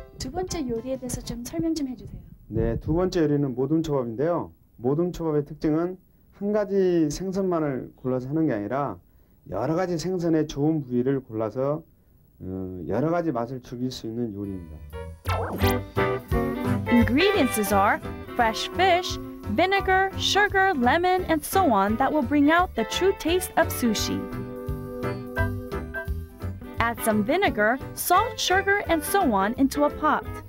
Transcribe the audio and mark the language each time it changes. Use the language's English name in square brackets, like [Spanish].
[English] The second dish, please explain. The second dish is modum kebab. The modum kebab's specialty is not to choose one fish, but to choose good parts of the fish. [Korean] 여러 가지 맛을 즐길 수 있는 요리입니다. [English] Ingredients are fresh fish, vinegar, sugar, lemon, and so on that will bring out the true taste of sushi. Add some vinegar, salt, sugar, and so on into a pot.